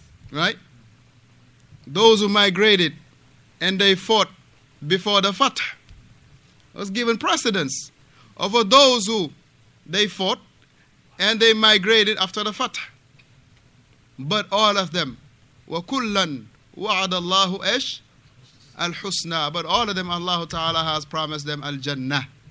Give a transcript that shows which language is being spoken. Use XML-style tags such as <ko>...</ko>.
<en>Right? Those who migrated and they fought before the Fath was given precedence over those who they fought and they migrated after the Fath. But all of them,</en> <ar>وَكُلًّا وَعَدَ اللَّهُ إِشْ الْحُسْنَى.</ar> <en>But all of them, Allah Ta'ala has promised them al-Jannah.</en>